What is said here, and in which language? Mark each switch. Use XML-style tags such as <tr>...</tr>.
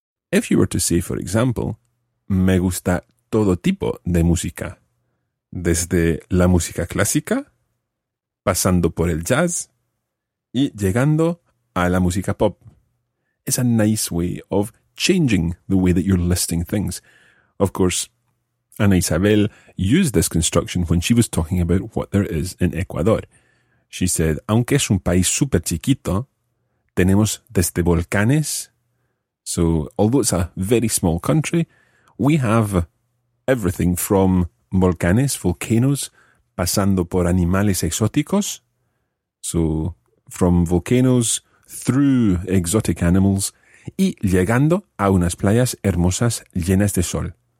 <en>If you were to say, for example,</en> <es>me gusta todo tipo de música, desde la música clásica, pasando por el jazz, y llegando a la música pop.</es> <en>It's a nice way of changing the way that you're listing things. Of course, Ana Isabel used this construction when she was talking about what there is in Ecuador. She said,</en> <es>aunque es un país súper chiquito, tenemos desde volcanes.</es> <en>So, although it's a very small country, we have everything from volcanes, volcanoes,</en> <es>pasando por animales exóticos.</es> <en>So, from volcanoes through exotic animals</en> <es>y llegando a unas playas hermosas llenas de sol.</es>